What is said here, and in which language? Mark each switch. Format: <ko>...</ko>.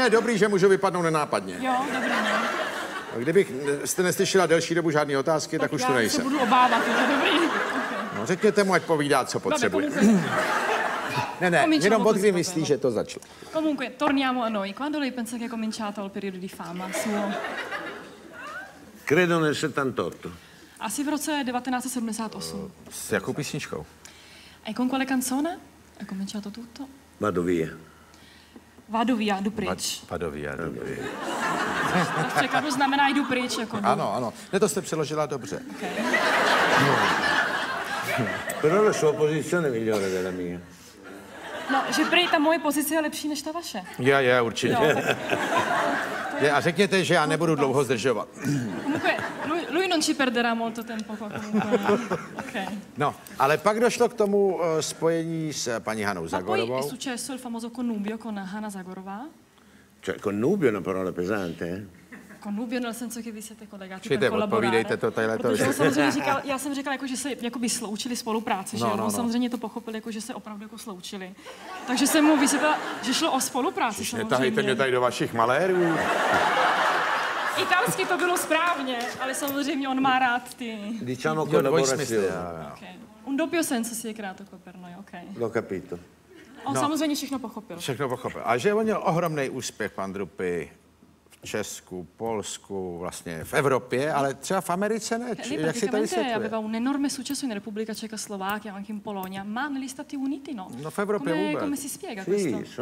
<cs>je dobrý, že můžu vypadnout nenápadně. Jo, dobrý. No. Kdybych jste neslyšela delší dobu žádné otázky, tak už tu nejsem. Já se budu obávat, to je dobrý. No, řekněte mu, ať povídá, co potřebuje. Ne, ne, jenom od kdy myslí, že to začalo.</cs> <it>Comunque, torniamo a noi. Quando lei pensa che è cominciato il periodo di fama suo? Credo nel 78.</it> <cs>Asi v roce 1978. S jakou písničkou?</cs> <it>E con quale canzone? È cominciato tutto? Vado via. Vado via,</it> <cs>jdu pryč.</cs> <it>Vado via,</it> <cs>jdu pryč. Překladu znamená jdu pryč, jako jdu. Ano, ano. Ne, to jste přeložila dobře.</cs> <it>Però la sua posizione è migliore della mia.</it> <cs>No, že prý ta moje pozice je lepší než ta vaše. Já, ja, určitě. No, tak, je, a řekněte, že já nebudu dlouho zdržovat.</cs> <it>Lui non ci perderà molto tempo.</it> <en>Okay.</en> <cs>No, ale pak došlo k tomu spojení s paní Hanou Zagorovou.</cs> <it>Poi è successo il famoso connubio con Hanna Zagorová. Cioè, connubio è una parola pesante, eh? Connubio nel senso che vi siete collegati, per collaborare. Cioè,</it> <cs>odpovídejte to tadyhle to. Protože on samozřejmě říkal, já jsem říkala, jako, že se jakoby sloučili spolupráci, no, že? No, on no. Samozřejmě to pochopil, jako, že se opravdu jako sloučili. Takže jsem mu vysvětla, že šlo o spolupráci. Čiž samozřejmě. Netahejte mě tady do vašich malérů. Italsky to bylo správně, ale samozřejmě on má rád ty...</cs> <it>Diciamo collaborazione.</it> <en>Okay.</en> <it>Un doppio senso si è creato qua per noi, ok. L'ho capito.</it> <cs>On no. Samozřejmě všechno pochopil. Všechno pochopil. A že on měl ohromný úspěch, pan Drupy, v Česku, Polsku, vlastně v Evropě, ale třeba v Americe ne? Okay, jak si to vysvětluje?</cs> <it>Aveva un enorme successo in Repubblica Ceca, Slovakia, anche in Polonia, ma negli Stati Uniti no.</it> <cs>No, v Evropě</cs> <it>come,</it> <cs>vůbec.</cs> <it>Come si spiega sì, questo?</it>